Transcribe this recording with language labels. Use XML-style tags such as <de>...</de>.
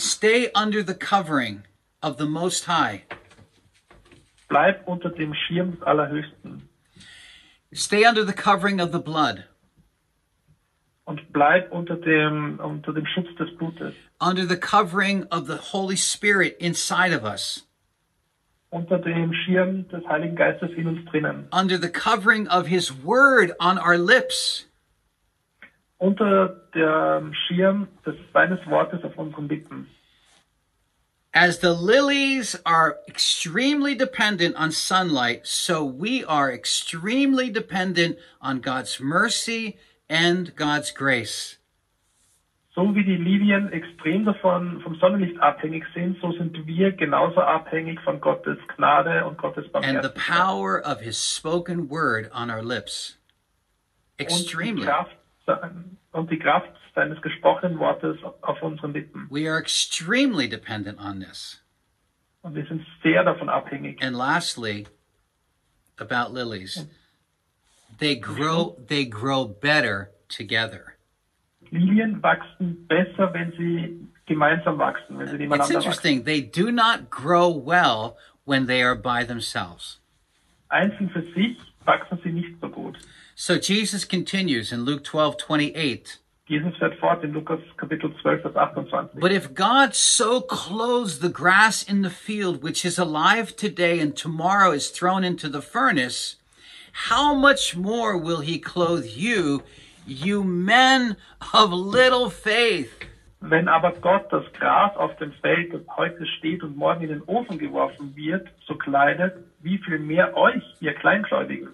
<en>Stay under the covering. Of the Most High.</en> <de>Bleib unter dem Schirm des Allerhöchsten.</de> <en>Stay under the covering of the blood.</en> <de>Und bleib unter dem Schutz des Blutes.</de> <en>Under the covering of the Holy Spirit inside of us.</en> <de>Unter dem Schirm des Heiligen Geistes in uns drinnen.</de> <en>Under the covering of His Word on our lips.</en> <de>Unter dem Schirm des Seines Wortes auf unseren Lippen.</de> <en>As the lilies are extremely dependent on sunlight, so we are extremely dependent on God's mercy and God's grace.</en> <de>So wie die Lilien extrem davon vom Sonnenlicht abhängig sind, so sind wir genauso abhängig von Gottes Gnade und Gottes Barmherzigkeit.</de> <en>And the power of His spoken word on our lips. Extremely.</en> <de>Und die Kraft seines gesprochenen Wortes auf unseren Lippen.</de> <en>We are extremely dependent on this.</en> <de>Und wir sind sehr davon abhängig.</de> <en>And lastly, about lilies, they grow better together.</en> <de>Lilien wachsen besser, wenn sie gemeinsam wachsen, wenn sie nebeneinander wachsen.</de> <en>It's interesting. They do not grow well when they are by themselves.</en> <de>Einzeln für sich wachsen sie nicht so gut.</de> <en>So Jesus continues in Luke 12:28.</en> <de>Jesus fährt fort in Lukas Kapitel 12, Vers 28.</de> <en>But if God so clothes the grass in the field, which is alive today and tomorrow is thrown into the furnace, how much more will he clothe you, you men of little faith?</en> <de>Wenn aber Gott das Gras auf dem Feld, das heute steht und morgen in den Ofen geworfen wird, so kleidet, wie viel mehr euch, ihr Kleingläubigen?</de>